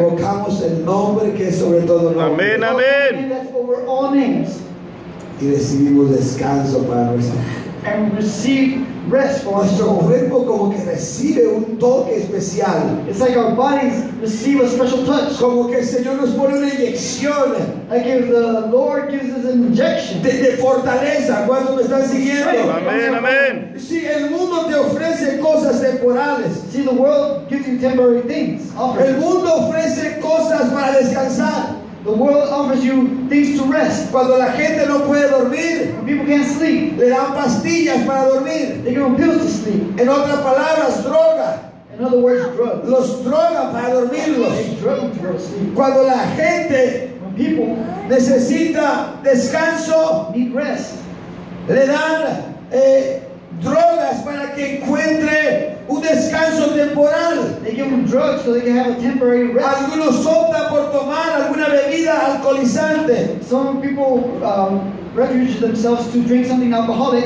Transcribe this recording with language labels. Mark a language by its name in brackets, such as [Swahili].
[Spanish] invocamos el nombre que es sobre todo nombre. Amén, amén. [English] Over all names. [Spanish] Y recibimos descanso para nuestra. [English] And receive rest for our soul. [Spanish] Nuestro cuerpo como que recibe un toque especial. [English] It's like our bodies receive a special touch. [Spanish] Como que el Señor nos pone una inyección. [English] Like if the Lord gives us an injection. [Spanish] De fortaleza. ¿Cuándo me están siguiendo? Amén, amén. Si el mundo te ofrece cosas temporales. [English] See, the world gives you temporary things. Offers. [Spanish] El mundo ofrece cosas para descansar. [English] The world offers you things to rest. [Spanish] Cuando la gente no puede dormir, [English] when people can't sleep, [Spanish] le dan pastillas para dormir. [English] They give them pills to sleep. [Spanish] En otras palabras, droga. [English] In other words, drugs. [Spanish] Los droga para dormirlos. Cuando la gente, [English] when people [Spanish] necesita descanso, [English] need rest, [Spanish] le dan drogas para que encuentre un descanso temporal. [English] They give them drugs so they can have a temporary rest. [Spanish] Algunos optan por tomar alguna bebida alcoholizante. [English] Some people refuge themselves to drink something alcoholic.